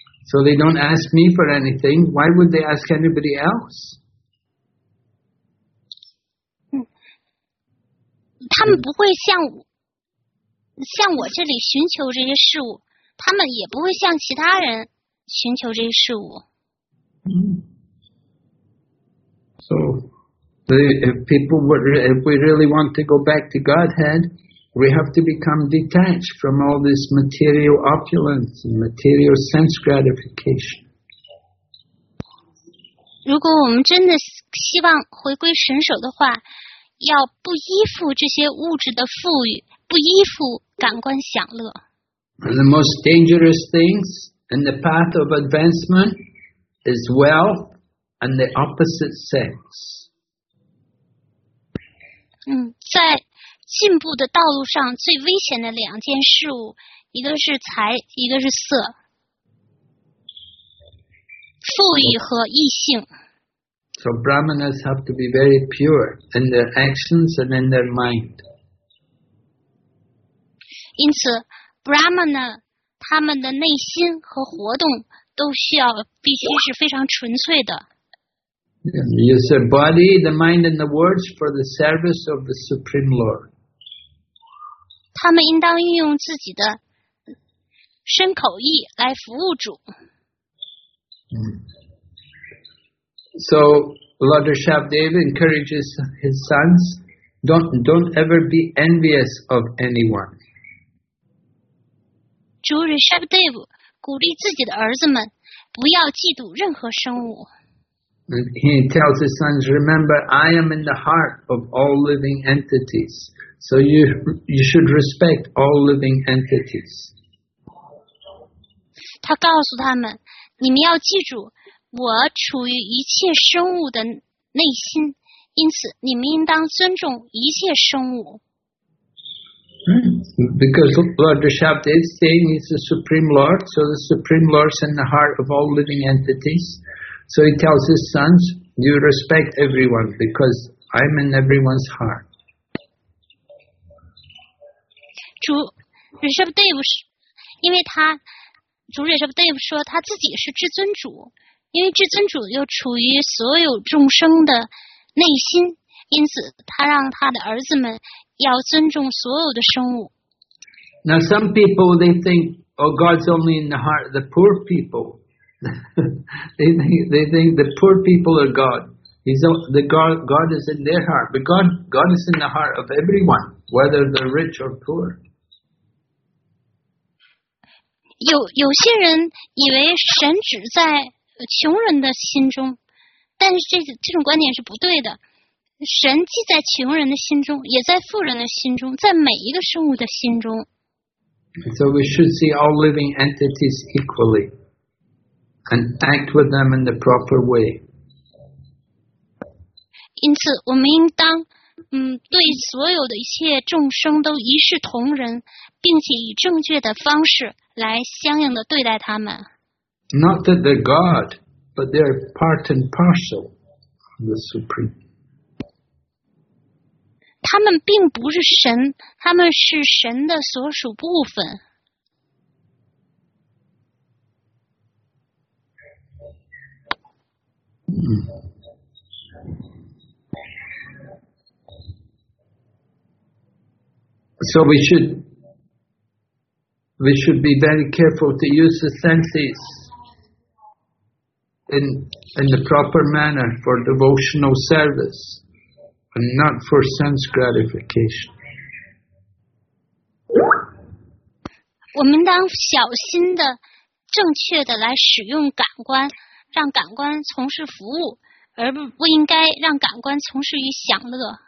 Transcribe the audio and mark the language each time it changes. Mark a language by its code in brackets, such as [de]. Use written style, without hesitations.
[en] So they don't ask me for anything. Why would they ask anybody else? [zh] 他们不会像我这里寻求这些事物，他们也不会向其他人寻求这些事物。 [en] So, if people were, if we really want to go back to Godhead, we have to become detached from all this material opulence and material sense gratification. [zh] 如果我们真的希望回归神首的话，要不依附这些物质的富裕。不依附感官享乐。 [en] The most dangerous things in the path of advancement is wealth and the opposite sex. [zh] 在进步的道路上最危险的两件事物，一个是财，一个是色，富裕和异性。 [en] So brahmanas have to be very pure in their actions and in their mind. [zh] 因此 brahmana 他们的内心和活动都需要必须是非常纯粹的。 [en] You use the body, the mind, and the words for the service of the Supreme Lord. [zh] 他们应当运用自己的身口意来服务主。 [en] So, Lord Shabdev encourages his sons, don't ever be envious of anyone. [zh] 主 Rishabdev 鼓励自己的儿子们不要嫉妒任何生物。 [en] He tells his sons, remember, I am in the heart of all living entities. So you should respect all living entities. [zh] 他告诉他们，你们要记住，我处于一切生物的内心，因此你们应当尊重一切生物。 [en] Because Lord Shabdev is saying he's the Supreme Lord, so the Supreme Lord is in the heart of all living entities. So he tells his sons, you respect everyone because I'm in everyone's heart. [zh] 主 Rishabdev 因为他主 Rishabdev 说他自己是至尊主，因为至尊主又处于所有众生的内心，因此他让他的儿子们要尊重所有的生物。 [en] Now some people, they think, oh, God's only in the heart of the poor people. they think the poor people are God. God is in their heart. But God is in the heart of everyone, whether they're rich or poor. [zh] 有些人以为神只在穷人的心中，但是这种观点是不对的。神既在穷人的心中，也在富人的心中，在每一个生物的心中。 [en] So we should see all living entities equally, and act with them in the proper way. [zh] 因此，我们应当对所有的一切众生都一视同仁，并且以正确的方式来相应的对待他们。 [en] Not that they're God, but they're part and parcel of the Supreme. [zh] 他们并不是神，他们是神的所属部分。 [en] So we should be very careful to use the senses in the proper manner for devotional service and not for sense gratification. [zh] 我们当小心的、正确的来使用感官，让感官从事服务，而不应该让感官从事于享乐。